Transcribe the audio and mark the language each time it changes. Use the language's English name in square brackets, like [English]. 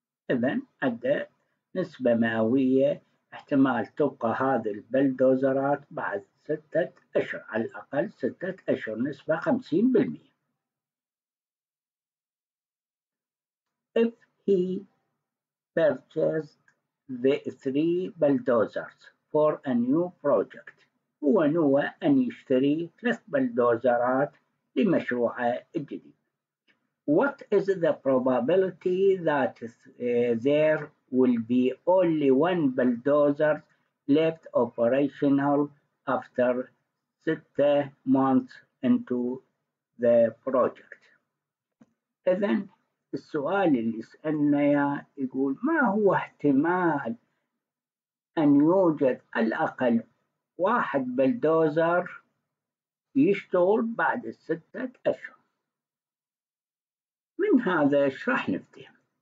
[Arabic] إذن عدى نسبة مئوية احتمال تبقى هذه البلدوزرات بعد 6 أشهر، على الأقل 6 أشهر نسبة 50%. [English] If he purchased the 3 bulldozers for a new project. [Arabic] هو نوى أن يشتري 3 bulldozers لمشروع جديد. [English] What is the probability that there will be only 1 bulldozer left operational after 6 months into the project? [Arabic] إذن السؤال اللي سألنا يقول ما هو احتمال أن يوجد الأقل 1 bulldozer يشتغل بعد 6 أشهر؟ من هذا شرح نفهم.